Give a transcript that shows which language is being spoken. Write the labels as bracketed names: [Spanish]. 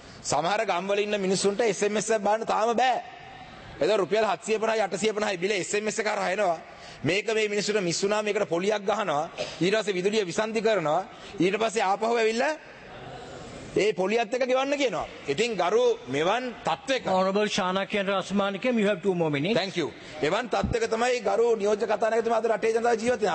[Sinhala] සමහර ගම්වල ඉන්න මිනිස්සුන්ට SMS එක බලන්න තාම බෑ. එතකොට රුපියල් 750යි 850යි බිල SMS එක හරහා එනවා. මේක මේ මිනිස්සුන්ට මිස් වුණා, මේකට පොලියක් ගහනවා, ඊට පස්සේ විදුලිය විසන්ධි කරනවා, ඊට පස්සේ ආපහු ඇවිල්ලා ඒ පොලියත් එක ගෙවන්න කියනවා. ඉතින් ගරු මෙවන් තත්ත්වයක [English] honorable ශානකයන් රස්මානිකම් you have 2 more minutes. Thank you. [Sinhala] මෙවන් තත්ත්වයක තමයි ගරු නියෝජ්‍ය කතානායකතුමා අද රටේ ජනතාව ජීවත් වෙන.